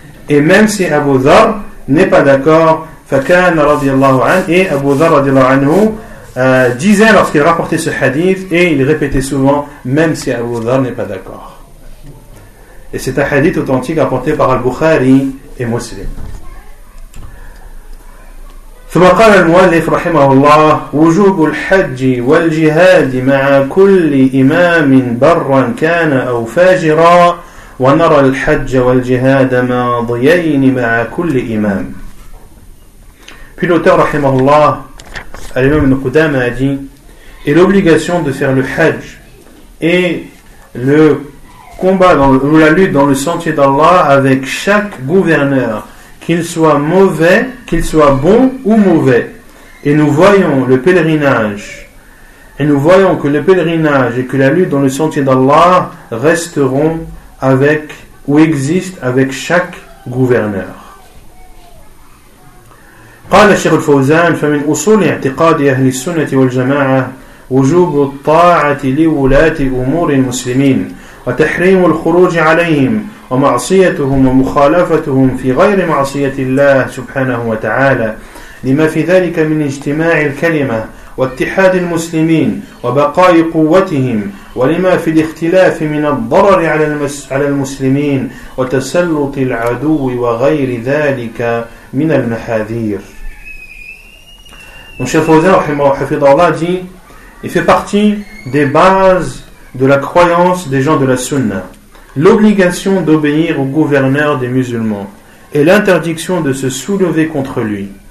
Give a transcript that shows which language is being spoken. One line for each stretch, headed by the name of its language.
French: Et même si Abu Dhar n'est pas d'accord.
Arabic: Fakana radiallahu anhu.
French: Et Abu Dhar radiallahu anhu disait lorsqu'il rapportait ce hadith, et il répétait souvent: même si Abu Dhar n'est pas d'accord. Et c'est un hadith authentique rapporté par Al-Bukhari et Muslim.
Arabic: ثم قال المؤلف رحمه الله: وجوب الحج والجهاد مع كل إمام برا كان أو فاجرا ونرى الحج والجهاد ماضيين مع كل إمام.
French: Puis l'auteur, rahimahullah, à l'imam Ibn Qudama, a dit: et l'obligation de faire le hajj et le combat dans, ou la lutte dans le sentier d'Allah avec chaque gouverneur, qu'il soit mauvais, qu'il soit bon ou mauvais. Et nous voyons le pèlerinage, et nous voyons que le pèlerinage et que la lutte dans le sentier d'Allah resteront avec ou existent avec chaque gouverneur.
Arabic: قال الشيخ الفوزان: فمن أصول اعتقاد أهل السنة والجماعة وجوب الطاعة لولاة أمور المسلمين وتحريم الخروج عليهم ومعصيتهم ومخالفتهم في غير معصية الله سبحانه وتعالى، لما في ذلك من اجتماع الكلمة واتحاد المسلمين وبقاء قوتهم، ولما في الاختلاف من الضرر على المسلمين وتسلط العدو وغير ذلك من المحاذير.
French: Cheikh Fawzan, rahimahullah, dit: il fait partie des bases de la croyance des gens de la Sunna l'obligation d'obéir au gouverneur des musulmans et l'interdiction de se soulever contre lui.